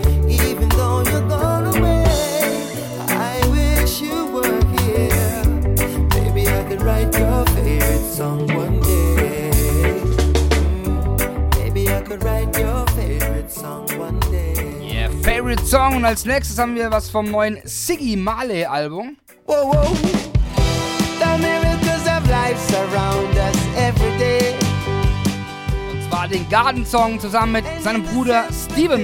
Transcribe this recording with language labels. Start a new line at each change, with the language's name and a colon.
English: Even though you're gone away, I wish you were here. Maybe I could write your favorite song one day. Maybe I could write your favorite song one day. Yeah, favorite song.
German: Und als nächstes haben wir was vom neuen Ziggy Marley Album. Whoa, whoa.
English: The miracles of life surround us every day.
German: Den Garden Song zusammen mit seinem Bruder Steven